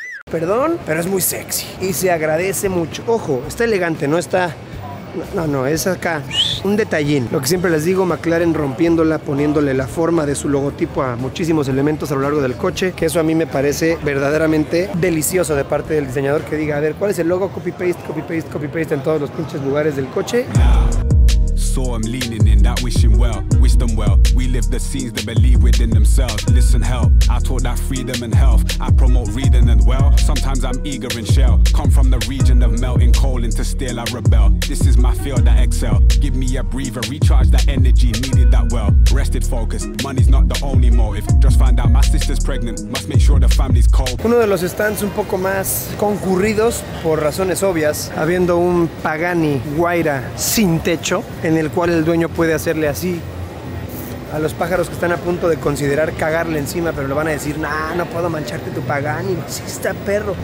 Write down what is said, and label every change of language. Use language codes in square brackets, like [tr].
[es] Perdón, pero es muy sexy y se agradece mucho. Ojo, está elegante, no está... No, no, es acá. Un detallín. Lo que siempre les digo, McLaren rompiéndola, poniéndole la forma de su logotipo a muchísimos elementos a lo largo del coche, que eso a mí me parece verdaderamente delicioso de parte del diseñador que diga, a ver, ¿cuál es el logo? Copy-paste, copy-paste, copy-paste en todos los pinches lugares del coche. [en] saw them leaning in that wishing well, wish them well. We live the scenes they believe within themselves. Listen, help, I taught that freedom and health. I promote reading and well. Sometimes I'm eager and shell. Come from the region of melting coal into steel, I rebel. This is my field, I excel. Give me a breather, recharge that energy needed that well. Rested focus, money's not the only motive. Just find out my sister's pregnant, must make sure the family's cold. [es] Uno de los stands un poco más concurridos por razones obvias, habiendo un Pagani Huayra sin techo, en el cual el dueño puede hacerle así a los pájaros que están a punto de considerar cagarle encima, pero le van a decir, nah, no puedo mancharte tu Pagani, sí está perro.